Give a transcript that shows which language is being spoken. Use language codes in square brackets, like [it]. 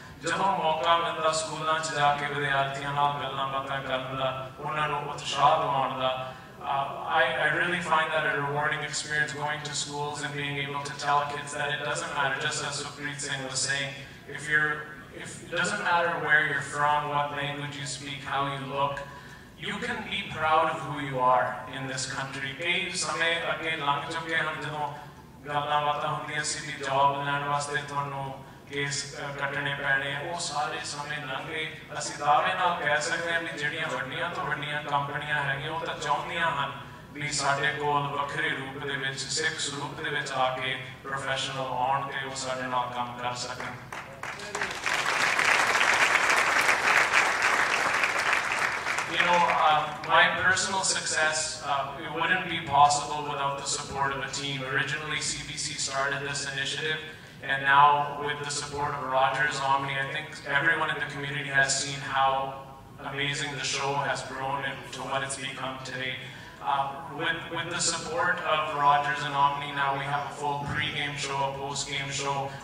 [pa] ਜਦੋਂ ਮੌਕਾ ਮਿਲਦਾ ਸਕੂਲਾਂ 'ਚ ਜਾ ਕੇ ਵਿਦਿਆਰਥੀਆਂ ਨਾਲ ਗੱਲਾਂ ਬਾਤਾਂ ਕਰਨ ਦਾ ਉਹਨਾਂ ਨੂੰ ਉਤਸ਼ਾਹ ਦਿਵਾਉਣ ਦਾ [en] I really find that a rewarding experience going to schools and being able to tell kids that it doesn't matter, just as Supreet Singh was saying, if it doesn't matter where you're from, what language you speak, how you look, you can be proud of who you are in this country. [pa] ਕਈ ਸਮੇਂ ਅੱਗੇ ਲੰਘ ਚੁੱਕੇ ਹਨ ਜਦੋਂ ਗੱਲਾਂ ਬਾਤਾਂ ਹੁੰਦੀਆਂ ਸੀ ਵੀ ਜੌਬ ਲੈਣ ਵਾਸਤੇ ਤੁਹਾਨੂੰ ਕੇਸ ਕੱਟਣੇ ਪੈਣੇ ਆ ਉਹ ਸਾਰੇ ਸਮੇਂ ਲੰਘ ਗਏ ਅਸੀਂ ਦਾਅਵੇ ਨਾਲ ਕਹਿ ਸਕਦੇ ਹਾਂ ਵੀ ਜਿਹੜੀਆਂ ਵੱਡੀਆਂ ਤੋਂ ਵੱਡੀਆਂ ਕੰਪਨੀਆਂ ਹੈਗੀਆਂ ਉਹ ਤਾਂ ਚਾਹੁੰਦੀਆਂ ਹਨ ਵੀ ਸਾਡੇ ਕੋਲ ਵੱਖਰੇ ਰੂਪ ਦੇ ਵਿੱਚ ਸਿੱਖ ਸਰੂਪ ਦੇ ਵਿੱਚ ਆ ਕੇ ਪ੍ਰੋਫੈਸ਼ਨਲ ਆਉਣ ਅਤੇ ਉਹ ਸਾਡੇ ਨਾਲ ਕੰਮ ਕਰ ਸਕਣ [en] You know, my personal success, it wouldn't be possible without the support of a team. Originally, CBC started this initiative, and now with the support of Rogers Omni, I think everyone in the community has seen how amazing the show has grown and to what it's become today. With the support of Rogers and Omni, now we have a full pre-game show, a post-game show.